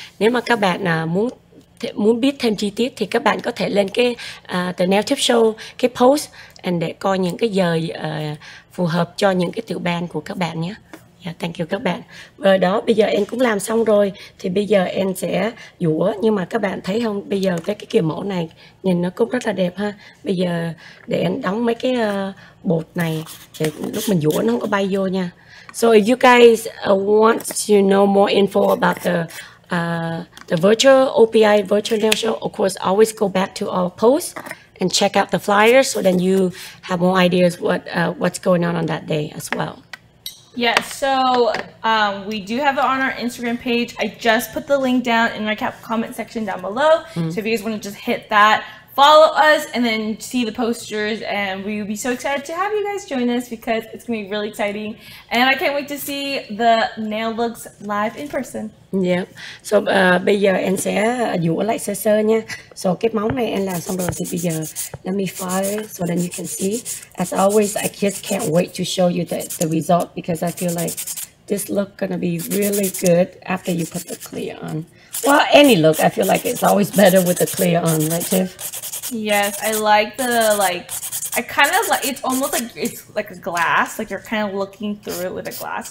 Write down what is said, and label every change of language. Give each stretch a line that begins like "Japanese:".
Vietnamese: Nếu mà các bạn muốn biết thêm chi tiết thì các bạn có thể lên cái The Nail Tip Show cái post and để coi những cái giờ phù hợp cho những cái tiểu bang của các bạn nhé.
English: Yeah, thank you
Vietnamese: các bạn. Và đó, bây giờ em cũng làm xong rồi thì bây giờ em sẽ dũa, nhưng mà các bạn thấy không, bây giờ cái kiểu mẫu này nhìn nó cũng rất là đẹp ha. Bây giờ để em đóng mấy cái bột này để lúc mình dũa nó không có bay vô nha.
English: So if you guys want to know more info about the virtual OPI virtual nail show, of course always go back to our post and check out the flyers, so then you have more ideas what's going on that day as well. Yes, yeah, so we do have it on our Instagram page. I just put the link down in our comment section down below. Mm-hmm. So if you guys want to just hit that, follow us, and then see the posters, and we would be so excited to have you guys join us because it's going to be really exciting. And I can't wait to see the nail looks live in person. Yeah, so
Vietnamese: bây giờ em sẽ dũa lại sơ sơ nha. So cái móng này em làm xong rồi thì bây giờ
English: let me file so then you can see. As always, I just can't wait to show you the result because I feel like this look gonna be really good after you put the clear on. Well, any look, I feel like it's always better with the clear on, right, Tiff? Yes, I like the, like, I kind of like, it's almost like it's like a glass, like you're kind of looking through it with a glass.